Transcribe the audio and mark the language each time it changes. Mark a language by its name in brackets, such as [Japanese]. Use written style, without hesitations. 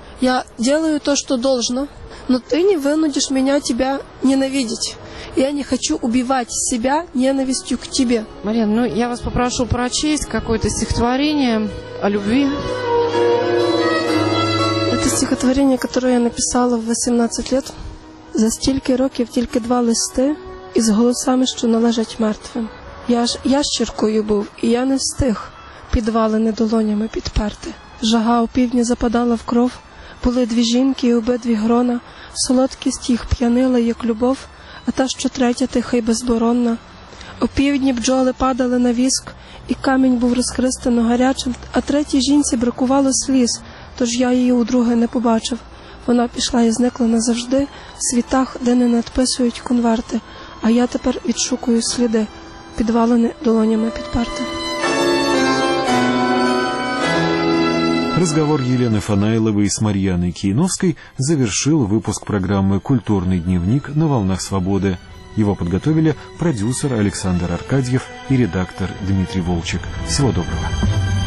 [Russian] Я делаю то, что должно, но ты не вынудишь меня тебя ненавидеть. Я не хочу убивать себя ненавистью к тебе. Марина, ну я вас попрошу прочесть какое-то стихотворение о любви. Это стихотворение, которое я написала в 18 лет. [Ukrainian] За стільки років тільки два листи із голосами, що належать мертвим. Я ж ящеркою був, і я не встиг підвалини долонями підперти. Жага опівдні западала в кров, були дві жінки і обидві грона, солодкість їх п'янила, як любов, а та, що третя, тиха й безборонна. Опівдні бджоли падали на віск, і камінь був розхрестено гарячим, а третій жінці бракувало сліз, тож я її удруге не побачив. Вона пішла і зникла назавжди в світах, де не надписують конверти, а я тепер відшукую сліди, підвалені долонями підперти. [Russian] Разговор Елены Фанайловой с Марьяной Кийновской завершил выпуск программы «Культурный дневник на волнах свободы». Его подготовили продюсер Александр Аркадьев и редактор Дмитрий Волчек. Всего доброго.